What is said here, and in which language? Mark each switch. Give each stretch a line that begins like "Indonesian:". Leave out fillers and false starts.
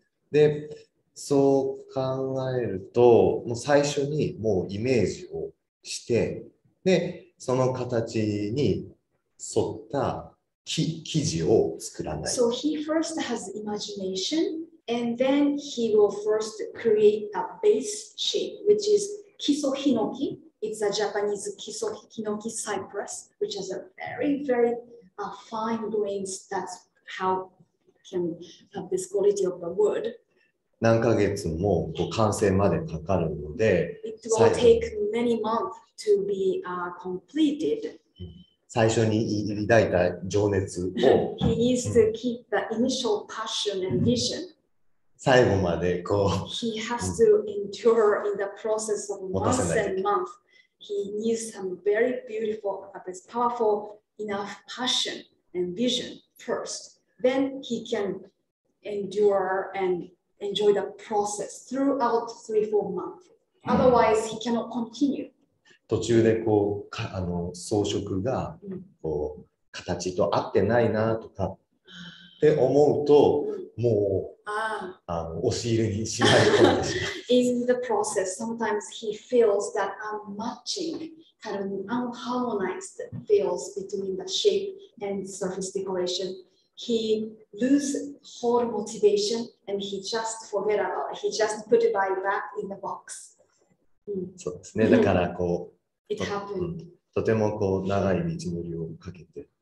Japanese: で、そう考えると、もう最初にもうイメージをして、で、その形に沿った生地を作らない。
English: So he first has imagination And then he will first create a base shape, which is Kiso Hinoki. It's a Japanese Kiso Hinoki cypress, which has a very, very fine grains. That's how can have this quality of the wood.
Japanese: 何ヶ月も完成までかかるので、
English: It will take many months to be completed.
Japanese: 最初に抱いた情熱を、
English: He needs to keep the initial passion and vision.
Japanese: 最後までこう、
English: He has to endure in the process of months and months. He needs some very beautiful, powerful enough passion and vision first. Then he can endure and enjoy the process throughout 3-4 months. Otherwise, he cannot continue.
Japanese: 途中でこうかあの装飾がこう形と合ってないなとかって思うと、もう、あの押し入れにしないと。
English: In the process, sometimes he feels that unmatching, kind of unharmonized feels between the shape and surface decoration. He lose whole motivation and he just forget about it. He just put it back in the box.
Japanese: そうですね。だからこう、
English: It happened.
Japanese: とてもこう長い道のりをかけて。